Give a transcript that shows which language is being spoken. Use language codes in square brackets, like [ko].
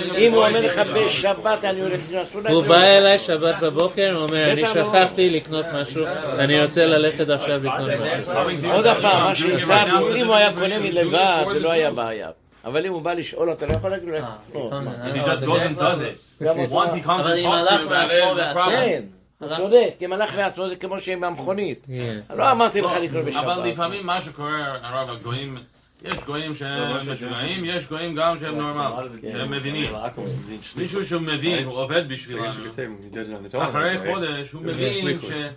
[he] אם הוא אומר לך בשבת אני הולך לקנות, הוא בא אליי שבת בבוקר, הוא אומר אני שכחתי לקנות משהו, אני רוצה ללכת עכשיו לקנות משהו. עוד פעם, מה שעשה, אם הוא היה קונה מלבד זה לא היה בעיה, אבל אם הוא בא לשאול אותה, לא יכול להגיד לו. [en] He just goes and does it. Once he comes and talks to you about it, [he] אתה יודע, כי מלך מעצמו זה כמו שהם במכונית. לא אמרתי לך לקרוא בשבת. אבל לפעמים מה שקורה, הרב, הגויים, יש גויים שהם משוגעים, יש גויים גם שהם נורמל, שהם מבינים. מישהו שהוא מבין, הוא עובד בשבילנו. אחרי חודש, הוא מבין ש...